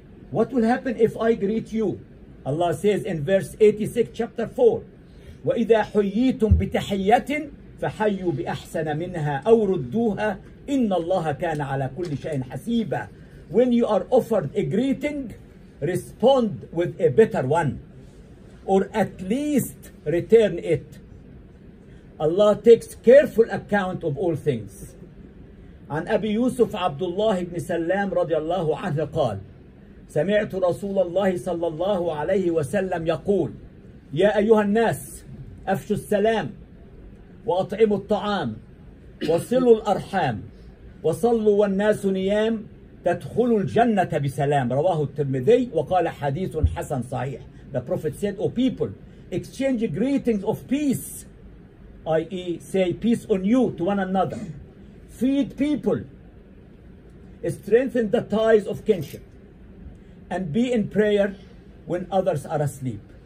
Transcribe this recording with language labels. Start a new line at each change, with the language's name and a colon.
English: What will happen if I greet you? Allah says in verse 86, chapter 4,
Arabic: وَإِذَا حُيِّيتُم بِتَحِيَّةٍ فَحَيُّوا بِأَحْسَنَ مِنْهَا أَوْ رُدُّوهَا إِنَّ اللَّهَ كَانَ عَلَى كُلِّ شَيْءٍ حَسِيبًا.
English: When you are offered a greeting, respond with a better one, or at least return it. Allah takes careful account of all things.
Arabic: عن أبي يوسف عبد الله بن سلام رضي الله عنه قال, سمعت رسول الله صلى الله عليه وسلم يقول, يا أيها الناس, أفشوا السلام وأطعموا الطعام وصلوا الأرحام وصلوا والناس نيام تدخلوا الجنة بسلام رواه الترمذي وقال حديث حسن صحيح.
English: The Prophet said, O people, exchange greetings of peace, i.e. say peace on you to one another. Feed people, strengthen the ties of kinship, and be in prayer when others are asleep.